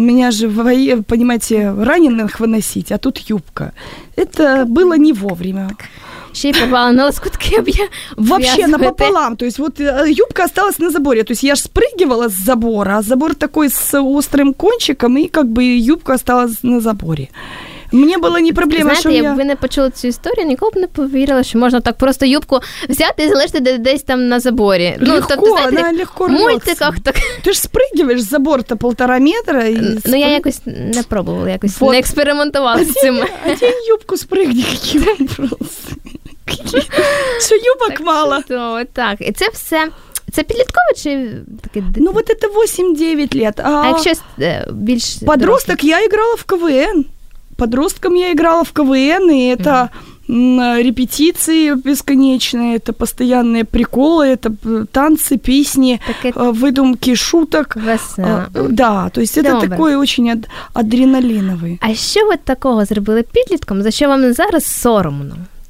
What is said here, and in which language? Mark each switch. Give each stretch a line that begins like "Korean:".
Russian: меня же, понимаете, раненых выносить, а тут юбка. Это так, было не вовремя. Так.
Ukrainian: Ще й порвала на лоскутки, я б я
Russian: вообще напополам. То есть вот юбка осталась на заборе. То есть я ж спрыгивала с забора, а забор такой с острым кончиком, и как бы юбка осталась на заборе. Мне было не проблема, знаете,
Ukrainian: що я... Знаєте, якби не почула цю історію, ніколи б не повірила, що можна так просто юбку взяти і залишити десь там на заборі. Легко, ну, тобто, знаєте, вона легко рвалася. В мультиках так. Ти ж спригиваєш з забору-то півтора метра і... Ну, я якось не пробувала, якось вот. Не експериментувала з цим. А ти юбку спригни, які вопроси. Що юбок мало. Так, і це все... Це підлітково чи таке? Ну, от це 8-9 лет. А якщо більш...
Russian: Подросток, я іграла в КВН. Подростком я играла в КВН, и это репетиции бесконечные, это постоянные приколы, это танцы, песни, выдумки шуток. Да, то есть это такой очень адреналиновый. А что вы такого сделали подлитком, за что вам сейчас соромно?